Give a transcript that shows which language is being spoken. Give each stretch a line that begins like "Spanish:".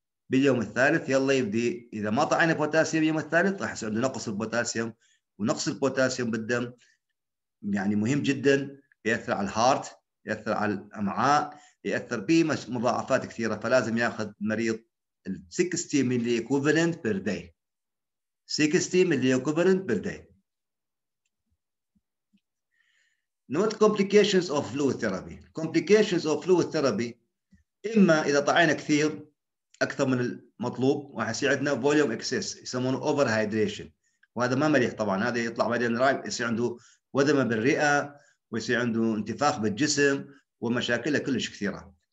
Arabic: باليوم الثالث يلا يبدي، اذا ما طعينا بوتاسيوم يوم الثالث راح يصير نقص البوتاسيوم، ونقص البوتاسيوم بالدم يعني مهم جدا، بياثر على الهارت، يأثر على الأمعاء، يأثر به مضاعفات كثيرة. فلازم يأخذ مريض 60 ملي إكوفلنت بير داي، 60 ملي إكوفلنت بير داي.
English: Note complications of fluid therapy. Complications of fluid therapy،
Arabic: إما إذا طعينا كثير أكثر من المطلوب راح يصير عندنا فوليوم إكسس يسمونه أوفر هايدريشن، وهذا ما مليح طبعا. هذا يطلع بعدين رايب، يصير عنده وذمة بالرئة، ويصير عنده انتفاخ بالجسم ومشاكله كلش كثيره.